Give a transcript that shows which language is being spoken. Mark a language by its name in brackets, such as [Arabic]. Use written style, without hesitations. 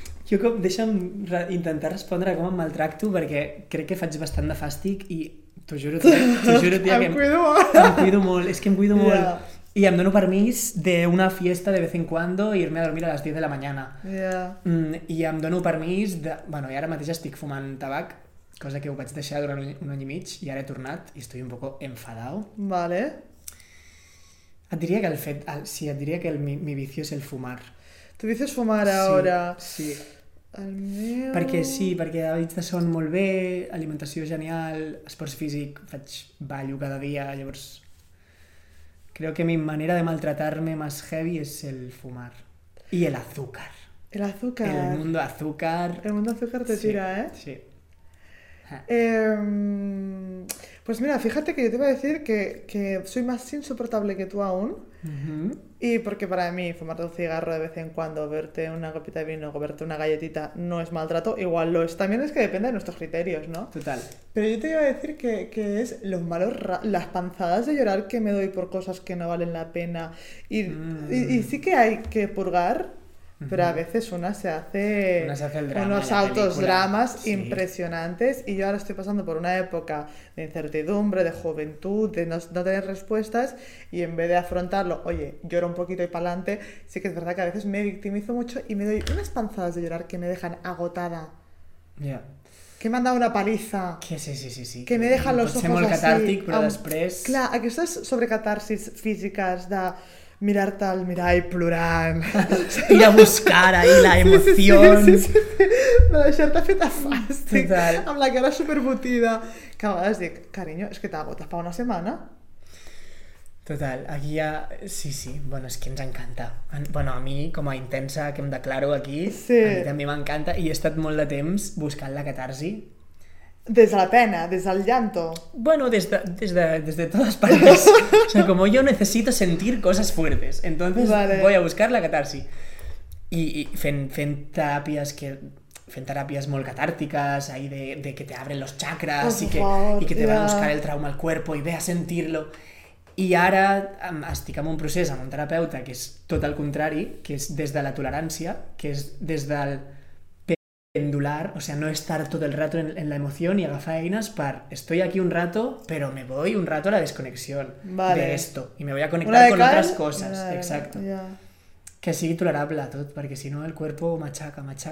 [Catalan] Jo com, deixa'm intentar respondre com em maltracto, perquè crec que faig bastant de fàstic i t'ho juro, tia, que em cuido molt, és que em cuido molt. I em dono permís [Spanish] d'una fiesta de vez en cuando i irme a dormir a les 10 de la mañana. [Catalan] I em dono permís de... Bueno, i ara mateix estic fumant tabac, cosa que ho vaig deixar durant un any i mig, i ara he tornat i estic [Spanish] un poco enfadado. [Catalan] Vale. Et diria que el fet... El, sí, et diria que el, [Spanish] mi vicio [Catalan] és el fumar. [Spanish] Tu dices fumar ara? Sí, sí. [Catalan] El meu... Perquè sí, perquè hàbits de son molt bé, alimentació genial, esports físic, faig ballo cada dia, llavors... [Spanish] Creo que mi manera de maltratarme más heavy es el fumar. Y el azúcar. El azúcar. El mundo azúcar. El mundo azúcar te tira, sí, ¿eh? Sí. Pues mira, fíjate que yo te iba a decir que soy más insoportable que tú aún. Uh-huh. Y porque para mí fumarte un cigarro de vez en cuando, beberte una copita de vino, beberte una galletita, no es maltrato. Igual lo es. También es que depende de nuestros criterios, ¿no? Total. Pero yo te iba a decir que es los malos las panzadas de llorar que me doy por cosas que no valen la pena. Y sí que hay que purgar, pero a veces una se hace el drama, unos altos dramas, sí, impresionantes. Y yo ahora estoy pasando por una época de incertidumbre, de juventud, de no tener respuestas, y en vez de afrontarlo, oye, lloro un poquito y pa'lante, sí que es verdad que a veces me victimizo mucho y me doy unas panzadas de llorar que me dejan agotada. Ya. Yeah. Que me han dado una paliza. Que sí. Que me dejan los ojos así. [Catalan] Pot ser molt catàrtic, però després... Clar, aquestes sobrecatarsis físiques de... Mirar-te al mirall plorant. I a buscar ahí la emoció. Sí. De deixar-te feta fàstic. Total. Amb la cara superbotida. Que a vegades dic, carinyo, és que t'agotes fa una setmana. Total, aquí ja... Sí. Bueno, és que ens encanta. Bueno, a mi, com a intensa, que em declaro aquí, sí, a mi també m'encanta. I he estat molt de temps buscant la catarsi. Des de la pena, des del llanto. Bueno, des de totes partes. [Spanish] O sea, como yo necesito sentir cosas fuertes, entonces vale, voy a buscar la catarsis. [Catalan] I fent teràpies molt catàrtiques, [Spanish] ahí de que te abren los chakras, [Catalan] oh, [Spanish] y que te, yeah, va a buscar el trauma al cuerpo y ve a sentirlo. [Catalan] I ara estic en un procés amb un terapeuta que és tot el contrari, que és des de la tolerància, que és des del... [Spanish] pendular, o sea, no estar todo el rato en la emoción y [Catalan] agafar eines per [Spanish] estoy aquí un rato, pero me voy un rato a la desconexión, vale, de esto y me voy a conectar con otras cosas, vale, exacto, ya. [Catalan] Que sigui tolerable tot, perquè si no [Spanish] el cuerpo machaca.